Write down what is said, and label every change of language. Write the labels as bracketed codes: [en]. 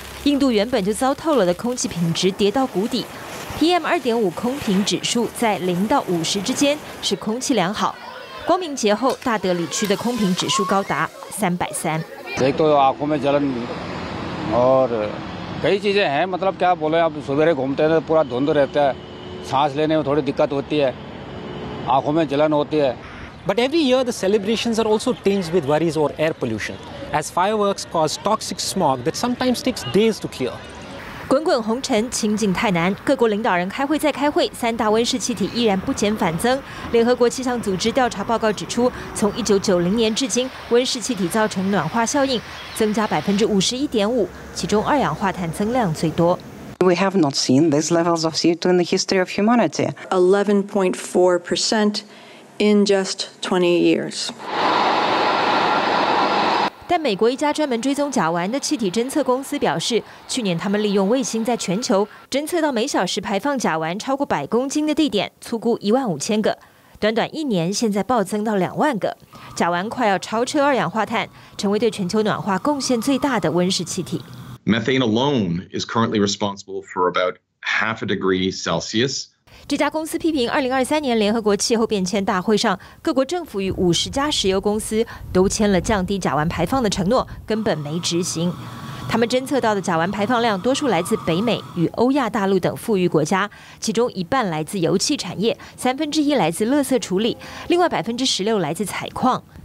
[zh] 印度原本就糟透了的空气品质跌到谷底， PM2.5 空品指数在0到50之间，是空气良好。光明节后，大德里区的空品指数高达303。 [en] But every year, the celebrations are also tinged with worries over air pollution, as fireworks cause toxic smog that sometimes takes days to clear. [zh] 滚滚红尘，清静太难。各国领导人开会再开会，三大温室气体依然不减反增。联合国气象组织调查报告指出，从1990年至今，温室气体造成暖化效应增加51.5%，其中二氧化碳增量最多。 [en] We have not seen these levels of CO2 in the history of humanity. 11.4% in just 20 years. [zh] 但美国一家专门追踪甲烷的气体侦测公司表示，去年他们利用卫星在全球侦测到每小时排放甲烷超过100公斤的地点，粗估15000个。短短一年，现在暴增到20000个。甲烷快要超车二氧化碳，成为对全球暖化贡献最大的温室气体。 [en] Methane alone is currently responsible for about 0.5°C. [zh] 这家公司批评2023年联合国气候变迁大会上，各国政府与50家石油公司都签了降低甲烷排放的承诺，根本没执行。他们侦测到的甲烷排放量多数来自北美与欧亚大陆等富裕国家，其中一半来自油气产业，1/3来自垃圾处理，另外16%来自采矿。